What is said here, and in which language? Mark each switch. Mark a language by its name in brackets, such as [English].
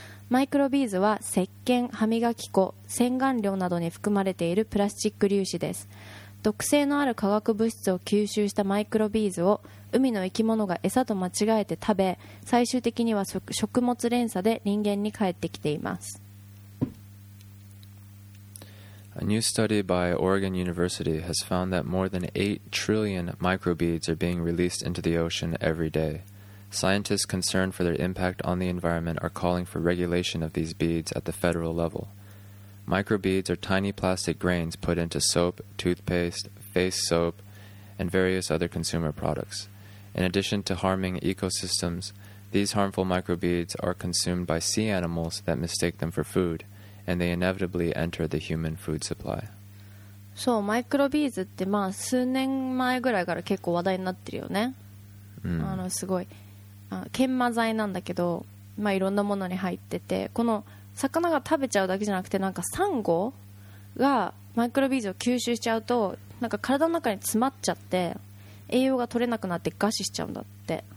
[Japanese] マイクロビーズは石鹸、歯磨き粉、洗顔料などに含まれているプラスチック粒子です。毒性のある化学物質を吸収したマイクロビーズを海の生き物が餌と間違えて食べ、最終的には食物連鎖で人間に帰ってきています。 [English] A new study by Oregon University has found that more than 8 trillion microbeads are being released into the ocean every day. Scientists concerned for their impact on the environment are calling for regulation of these beads at the federal level. Microbeads are tiny plastic grains put into soap, toothpaste, face soap, and various other consumer products. In addition to harming ecosystems, these harmful microbeads are consumed by sea animals that mistake them for food. And they inevitably enter the human food supply. [Japanese] そう、マイクロビーズってまあ数年前ぐらいから結構話題になってるよね。 Mm. あのすごい研磨剤なんだけど、まあいろんなものに入ってて、この魚が食べちゃうだけじゃなくて、なんかサンゴがマイクロビーズを吸収しちゃうと、なんか体の中に詰まっちゃって栄養が取れなくなって餓死しちゃうんだって。